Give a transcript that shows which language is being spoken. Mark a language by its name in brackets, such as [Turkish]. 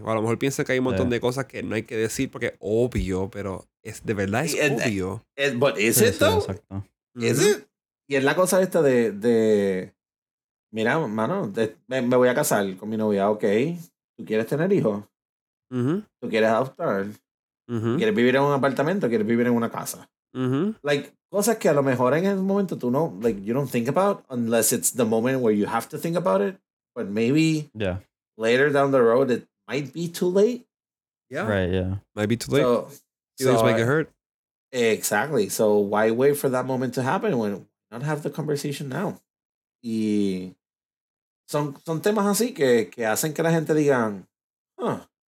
[Spanish] O a lo mejor piensan que hay un montón de cosas que no hay que decir porque es obvio, pero es obvio. [English] But is it though? Is it? [Spanish] Y es la cosa esta de mira, mano, me voy a casar con mi novia, ok. ¿Tú quieres tener hijos? Uh-huh. ¿Tú quieres adoptar? Uh-huh. ¿Quieres vivir en un apartamento o quieres vivir en una casa? [English] Like, [Spanish] cosas que a lo mejor en el momento tú no, [English] like, you don't think about unless it's the moment where you have to think about it. But maybe later down the road, it might be too late. Yeah. Right, yeah. Might be too late. Feelings might get hurt. Exactly. So why wait for that moment to happen when not have the conversation now? [Spanish] Y son temas así que hacen que la gente digan, huh.